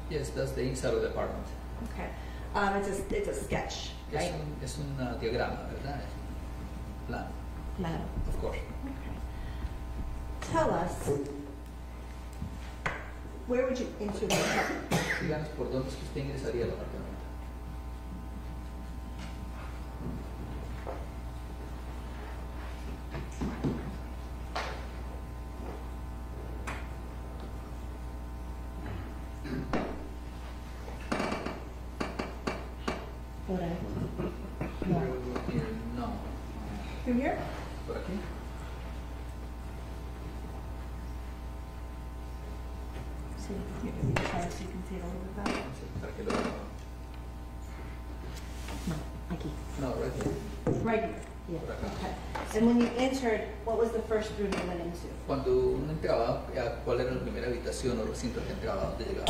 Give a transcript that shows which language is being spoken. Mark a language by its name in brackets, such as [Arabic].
[English] Yes, that's the inside of the apartment. Okay. It's a sketch, right? [Spanish] Es un diagrama, ¿verdad? Plan. Claro. [English] Of course. Tell us, where would you enter the apartment? [Spanish] Díganos por dónde es que usted ingresaría al apartamento. [English] Okay. [Spanish] Por aquí. No. No. [English] Through here? [Spanish] Por aquí. [English] So you can see the cards, you can see a little bit better. [Spanish] Para que lo vea. No, aquí. [English] No, right here. Right here. Yeah. Okay. And when you entered, what was the first room you went into? [Spanish] Cuando uno entraba, ¿cuál era la primera habitación o recinto que entraba, donde llegaba?